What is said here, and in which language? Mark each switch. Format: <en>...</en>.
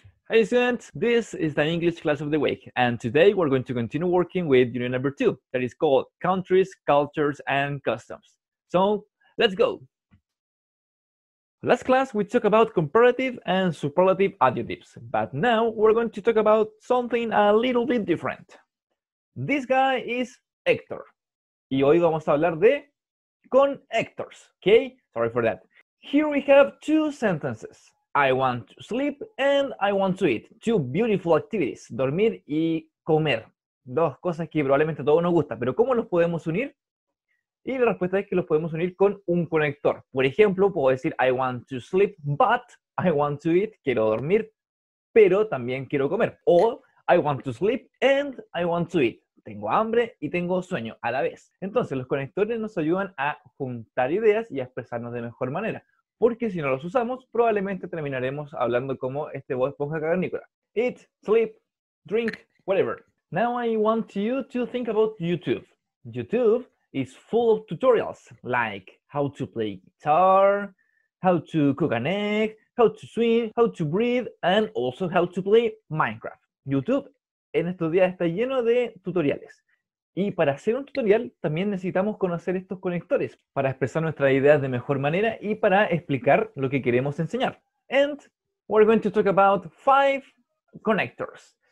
<en>Hey student, this is the English class of the week, and today we're going to continue working with unit number 2, that is called Countries, Cultures, and Customs. So, let's go! Last class we talked about comparative and superlative adjectives, but now we're going to talk about something a little bit different. This guy is Héctor.</en> <es>Y hoy vamos a hablar de con Héctors, okay?</es> <en>Sorry for that. Here we have two sentences. I want to sleep and I want to eat. Two beautiful activities.</en> <es>Dormir y comer. Dos cosas que probablemente a todos nos gustan. Pero ¿cómo los podemos unir? Y la respuesta es que los podemos unir con un conector. Por ejemplo, puedo decir</es> <en>I want to sleep, but I want to eat.</en> <es>Quiero dormir, pero también quiero comer.</es> <en>O I want to sleep and I want to eat.</en> <es>Tengo hambre y tengo sueño a la vez. Entonces, los conectores nos ayudan a juntar ideas y a expresarnos de mejor manera. Porque si no los usamos, probablemente terminaremos hablando como este voz esponja cavernícola.</es> <en>Eat, sleep, drink, whatever. Now I want you to think about YouTube. YouTube is full of tutorials like how to play guitar, how to cook an egg, how to swim, how to breathe, and also how to play Minecraft.</en> <es>YouTube en estos días está lleno de tutoriales. Y para hacer un tutorial, también necesitamos conocer estos conectores para expresar nuestras ideas de mejor manera y para explicar lo que queremos enseñar.</es> <en>And we're going to talk about 5 connectors.</en>